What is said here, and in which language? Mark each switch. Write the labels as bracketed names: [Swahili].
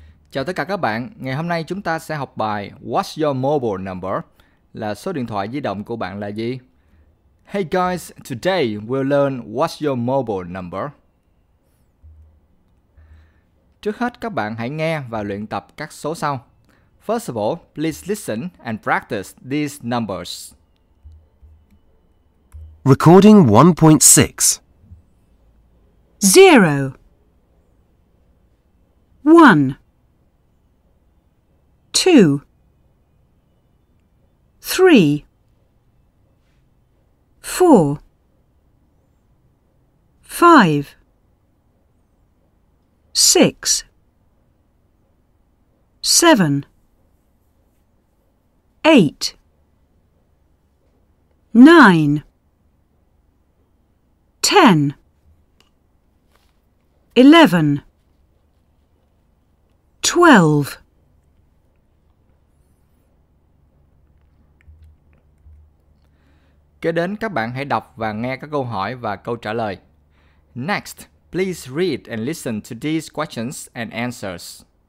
[Vietnamese] Chào tất cả các bạn, ngày hôm nay chúng ta sẽ học bài [English] What's your mobile number? [Vietnamese] Là số điện thoại di động của bạn là gì? [English] Hey guys, today we'll learn what's your mobile number. [Vietnamese] Trước hết các bạn hãy nghe và luyện tập các số sau. [English] First of all, please listen and practice these numbers. Recording 1.6. 0 1 2 3 4 5 6 7 8 9 10 11 12 [Vietnamese] Kế đến các bạn hãy đọc và nghe các câu hỏi và câu trả lời. [English] Next, please read and listen to these questions and answers.